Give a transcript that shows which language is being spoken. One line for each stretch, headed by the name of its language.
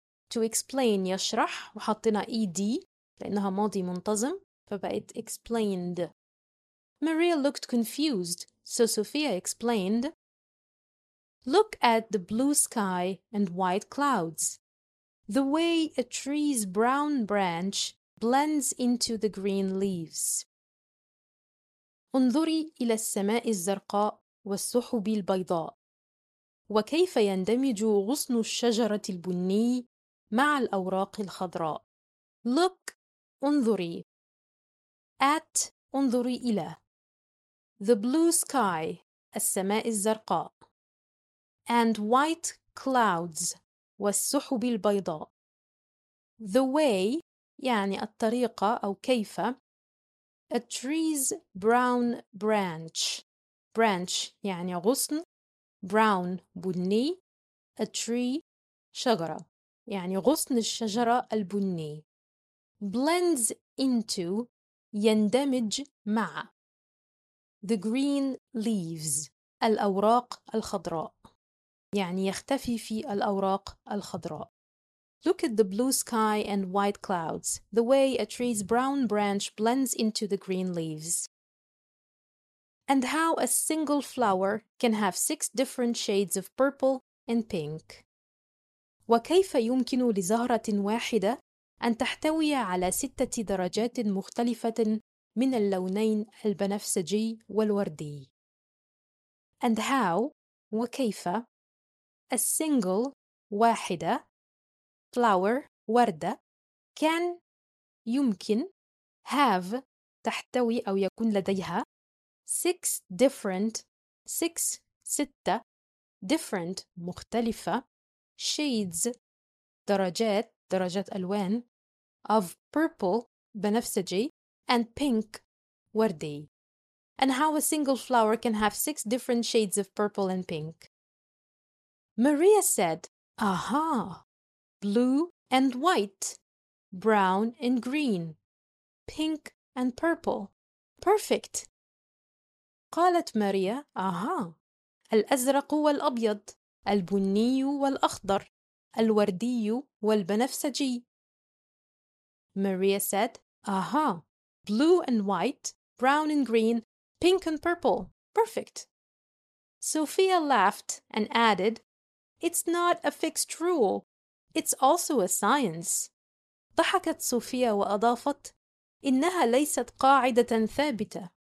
English: To explain
Arabic: يشرح وحطنا ed لأنها ماضي منتظم فبقت
English: explained. Maria looked confused, so Sophia explained. Look at the blue sky and white clouds. The way a tree's brown branch blends into the green leaves.
Arabic: انظري إلى السماء الزرقاء والسحب البيضاء. وكيف يندمج غصن الشجرة البني مع الأوراق الخضراء.
English: Look,
Arabic: انظري.
English: At,
Arabic: انظري إلى.
English: The blue sky,
Arabic: السماء الزرقاء.
English: And white clouds,
Arabic: والسحب البيضاء.
English: The way,
Arabic: يعني الطريقة أو كيف.
English: A tree's brown branch. Branch,
Arabic: يعني غصن.
English: Brown,
Arabic: بني.
English: A tree,
Arabic: شجرة. يعني غصن الشجرة البني.
English: Blends into,
Arabic: يندمج مع.
English: The green leaves,
Arabic: الأوراق الخضراء. يعني يختفي في الأوراق الخضراء.
English: Look at the blue sky and white clouds. The way a tree's brown branch blends into the green leaves. And how a single flower can have six different shades of purple and pink.
Arabic: وكيف يمكن لزهرة واحدة أن تحتوي على ستة درجات مختلفة من اللونين البنفسجي والوردي.
English: And how,
Arabic: وكيف,
English: a single,
Arabic: واحدة,
English: flower,
Arabic: وردة,
English: can,
Arabic: يمكن,
English: have,
Arabic: تحتوي أو يكون لديها,
English: six different, six,
Arabic: ستة,
English: different,
Arabic: مختلفة,
English: shades,
Arabic: درجات, درجات ألوان,
English: of purple,
Arabic: بنفسجي,
English: and pink,
Arabic: وردي.
English: And how a single flower can have six different shades of purple and pink. Maria said, Aha, blue and white, brown and green, pink and purple. Perfect.
Arabic: قالت ماريا, Aha, الأزرق والأبيض, البني والأخضر, الوردي والبنفسجي.
English: Maria said, Aha, blue and white, brown and green, pink and purple. Perfect. Sophia laughed and added, It's not a fixed rule. It's also a science.
Arabic: ضحكت صوفيا وأضافت, إنها ليست قاعدة ثابتة.